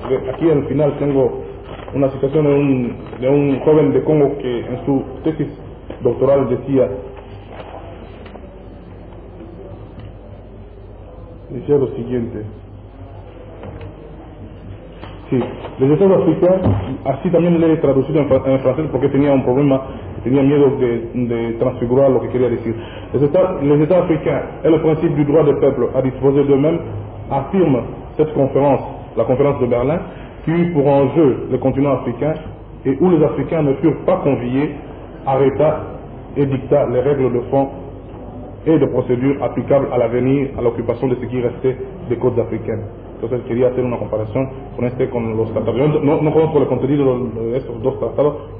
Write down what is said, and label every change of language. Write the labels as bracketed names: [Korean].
[Spanish] Aquí al final tengo una citación de un joven de Congo que en su tesis doctoral decía, lo siguiente. Sí, les estaba explicando, así también le he traducido en francés porque tenía un problema, tenía miedo de transfigurar lo que quería decir. [French] Les États africains et le principe du droit des peuples à disposer d'eux-mêmes affirment cette conférence, la conférence de Berlin, qui eut pour enjeu le continent africain et où les Africains ne furent pas conviés, arrêta et dicta les règles de fond et de procédure applicables à l'avenir, à l'occupation de ce qui restait des côtes africaines. [Spanish] Entonces quería hacer una comparación con este, con los tratados. No conozco el contenido de estos dos tratados.